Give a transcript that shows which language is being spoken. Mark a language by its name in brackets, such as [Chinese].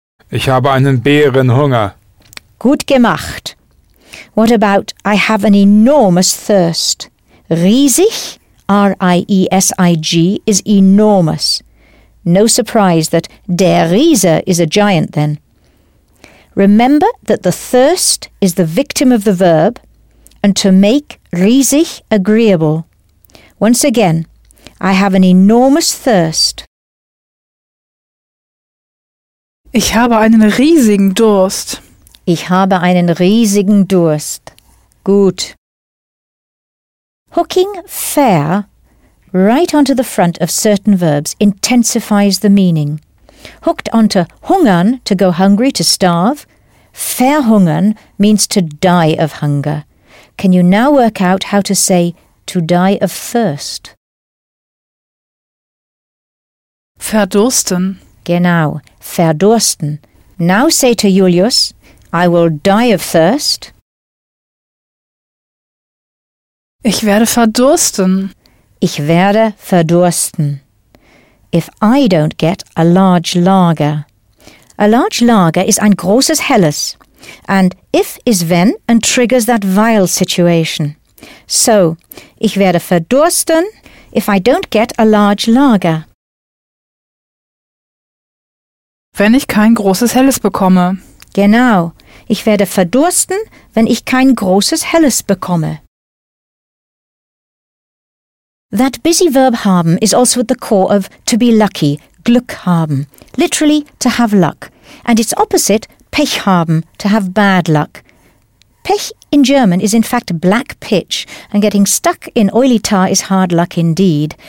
[German] Ich habe einen Bärenhunger. Gut gemacht. [English] What about, I have an enormous thirst? Riesig, R-I-E-S-I-G, is enormous. No surprise that der Riese is a giant then. Remember that the thirst is the victim of the verb, and to make riesig agreeable. Once again, I have an enormous thirst. [German] Ich habe einen riesigen Durst. Ich habe einen riesigen Durst. Gut. [English] Hooking fair right onto the front of certain verbs intensifies the meaning. Hooked onto hungern, to go hungry, to starve, verhungern means to die of hunger. Can you now work out how to say to die of thirst? [German] Verdursten. Genau, verdursten. [English] Now say to Julius, I will die of thirst. [German] Ich werde verdursten. Ich werde verdursten. [English] If I don't get a large lager. A large lager [German] ist ein großes helles. [English] And if is when and triggers that vile situation. So, [German] ich werde verdursten [English] if I don't get a large lager. [German] Wenn ich kein großes helles bekomme. Genau. Ich werde verdursten, wenn ich kein großes helles bekomme. [English] That busy verb haben is also at the core of to be lucky, Glück haben, literally to have luck. And its opposite, Pech haben, to have bad luck. Pech in German is in fact black pitch, and getting stuck in oily tar is hard luck indeed.